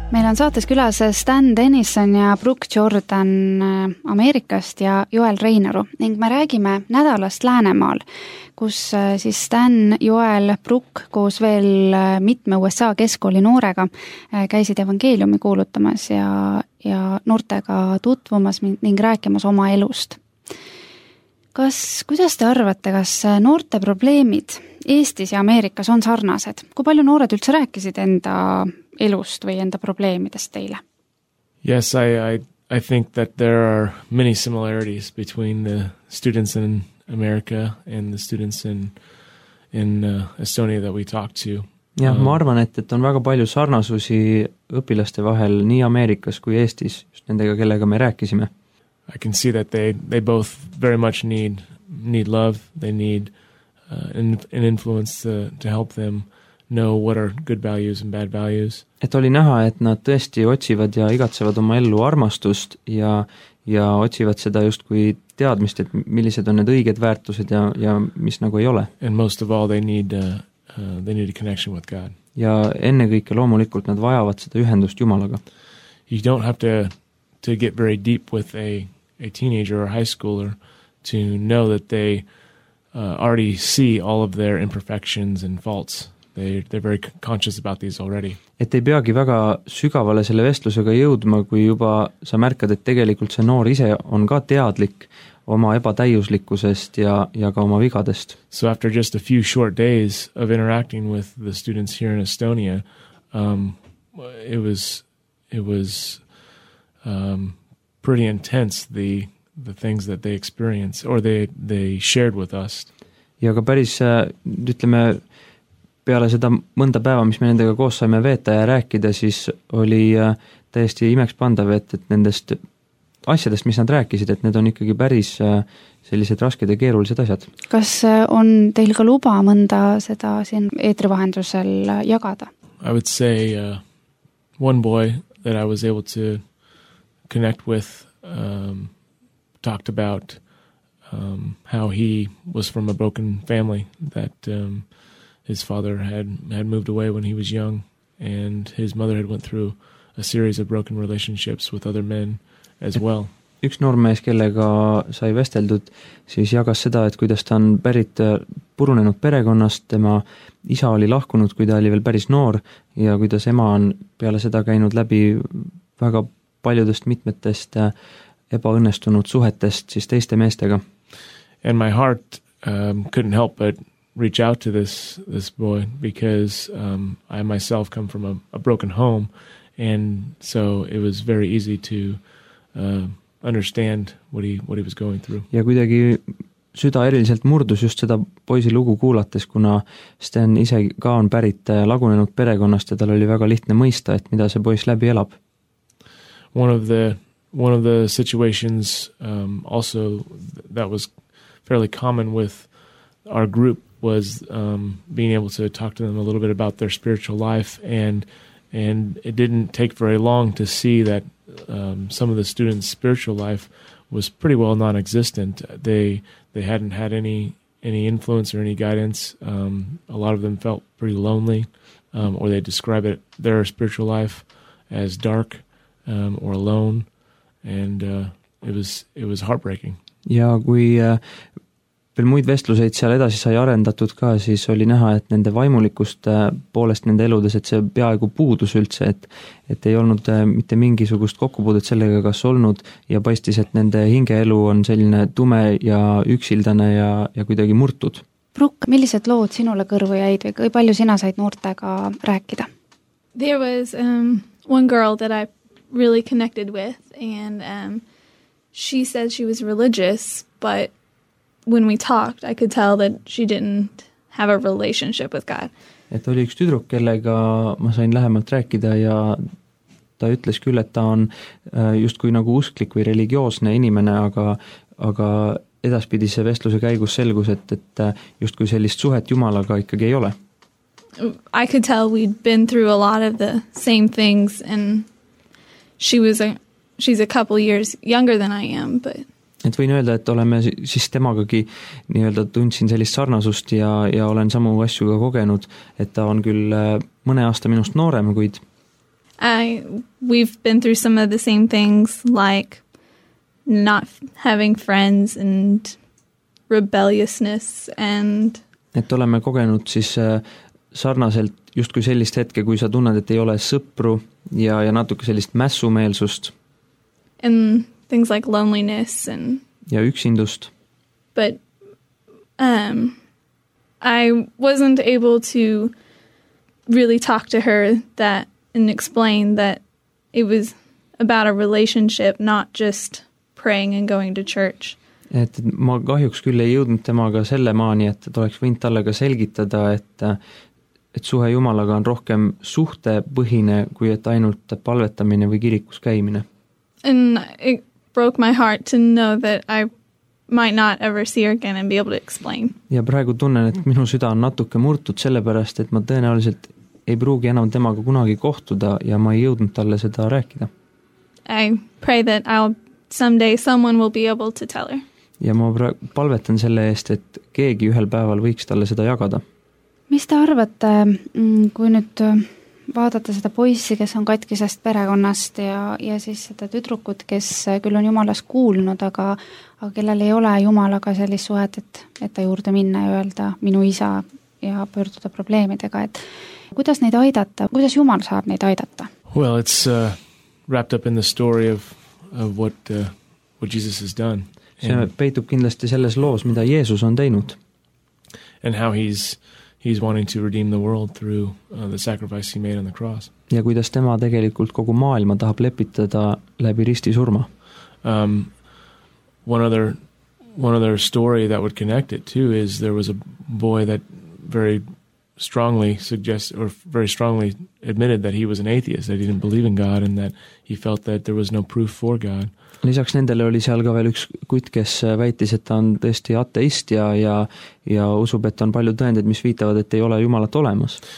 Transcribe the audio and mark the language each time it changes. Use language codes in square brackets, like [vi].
[et] on saates külas Stan Denison ja Brooke Jordan Ameerikast ja Joel Reinaru ning me räägime nädalast Läänemaal, kus siis Stan, Joel, Brooke koos veel mitme USA keskkooli noorega käisid evangeeliumi kuulutamas ja noortega tutvumas ning rääkimas oma elust. Kuidas te arvate, kas noorte probleemid Eestis ja Ameerikas on sarnased? Kui palju noored üldse rääkisid enda elust või enda probleemidest teile? [en] Yes, I think that there are many similarities between the students in America and the students in Estonia that we talked to. [et] Ja, ma arvan, et on väga palju sarnasusi õpilaste vahel nii Ameerikas kui Eestis, just nendega, kellega me rääkisime. [en] I can see that they both very much need love. They need an influence to help them know what are good values and bad values. [et] Et oli näha, et nad tõesti otsivad ja igatsevad oma ellu armastust ja otsivad seda just kui teadmist, et millised on need õiged väärtused ja mis nagu ei ole. [en] And most of all they need a connection with God. [et] Ja enne kõike loomulikult nad vajavad seda ühendust Jumalaga. [en] You don't have to get very deep with a teenager or high schooler to know that they already see all of their imperfections and faults. They're very conscious about these already. [et] Et ei peagi väga sügavale selle vestlusega jõudma, kui juba sa märkad, et tegelikult see noor ise on ka teadlik oma ebatäiuslikkusest ja ka oma vigadest. [en] So after just a few short days of interacting with the students here in Estonia, it was pretty intense the things that they experience or they shared with us. [et] Ja ka päris, ütleme, peale seda mõnda päeva, mis me nendega koos saime veeta ja rääkida, siis oli täiesti imeks pandav, et nendest asjadest, mis nad rääkisid, et need on ikkagi päris sellised rasked ja keerulised asjad. Kas on teil ka luba mõnda seda siin eetrivahendusel jagada? [en] I would say one boy that I was able to connect with talked about how he was from a broken family that his father had moved away when he was young and his mother had went through a series of broken relationships with other men as well. [et] Üks noormees, kellega sai vesteldud, siis jagas seda, et kuidas ta on pärit purunenud perekonnast, tema isa oli lahkunud, kui ta oli veel päris noor ja kuidas ema on peale seda käinud läbi väga paljudest mitmetest ebaõnnestunud suhetest siis teiste meestega. [en] And my heart couldn't help but reach out to this boy because I myself come from a broken home and so it was very easy to understand what he was going through. [et] Ja kuidagi süda eriliselt murdus just seda poisi lugu kuulates, kuna Sten ise ka on pärit lagunenud perekonnast ja tal oli väga lihtne mõista, et mida see poiss läbi elab. [en] One of the situations also that was fairly common with our group was being able to talk to them a little bit about their spiritual life and it didn't take very long to see that some of the students' spiritual life was pretty well non-existent. They hadn't had any influence or any guidance. A lot of them felt pretty lonely or they describe it their spiritual life as dark or alone and it was heartbreaking. [et] Ja kui veel muid vestluseid seal edasi sai arendatud ka, siis oli näha, et nende vaimulikust poolest nende eludes, et see peaaegu puudus üldse, et ei olnud mitte mingisugust kokkupuudet sellega kas olnud ja paistis, et nende hingeelu on selline tume ja üksildane ja kuidagi murtud. Brooke, millised lood sinule kõrvu jäid või kui palju sina said noortega rääkida? [en] There was one girl that I really connected with and she said she was religious, but when we talked, I could tell that she didn't have a relationship with God. [et] Et oli üks tüdruk, kellega ma sain lähemalt rääkida ja ta ütles küll, et ta on just kui nagu usklik või religioosne inimene, aga edaspidi see vestluse käigus selgus, et just kui sellist suhet Jumalaga ikkagi ei ole. [en] I could tell we'd been through a lot of the same things and she's a couple years younger than I am, but [et] et võin öelda, et oleme siis temagagi nii-öelda tundsin sellist sarnasust ja olen samu asju ka kogenud, et ta on küll mõne aasta minust noorem, kuid [en] We've been through some of the same things, like not having friends and rebelliousness and... [et] Et oleme kogenud siis sarnaselt just kui sellist hetke, kui sa tunned, et ei ole sõpru ja natuke sellist mässumeelsust. [en] And things like loneliness and... [et] Ja üksindust. [en] But I wasn't able to really talk to her that and explain that it was about a relationship, not just praying and going to church. [et] Et ma kahjuks küll ei jõudnud temaga selle maani, et oleks võinud talle ka selgitada, et suhe Jumalaga on rohkem suhte põhine kui et ainult palvetamine või kirikus käimine. [en] And it broke my heart to know that I might not ever see her again and be able to explain. [et] Ja praegu tunnen, et minu süda on natuke murtud sellepärast, et ma tõenäoliselt ei pruugi enam temaga kunagi kohtuda ja ma ei jõudnud talle seda rääkida. [en] I pray that I'll someday someone will be able to tell her. [et] Ja ma palvetan selle eest, et keegi ühel päeval võiks talle seda jagada. Mis te arvate, kui nüüd vaadata seda poissi, kes on katkisest perekonnast ja siis seda tüdrukud, kes küll on Jumalas kuulnud, aga kellel ei ole Jumalaga sellist suhet, et ta juurde minna ja öelda minu isa ja pöörduda probleemidega, et kuidas neid aidata, kuidas Jumal saab neid aidata? [en] Well, it's wrapped up in the story of what Jesus has done. [et] See peitub kindlasti selles loos, mida Jeesus on teinud. [en] And how he's wanting to redeem the world through the sacrifice he made on the cross. [et] Ja kuidas tema tegelikult kogu maailma tahab lepitada läbi risti surma. [en] One other story that would connect it too is there was a boy that very strongly suggested or very strongly admitted that he was an atheist, that he didn't believe in God and that he felt that there was no proof for God. [et] Lisaks nendele oli seal ka veel üks kut, kes väitis, et ta on tõesti ateist ja usub, et on palju tõendid, mis viitavad, et ei ole Jumalat olemas.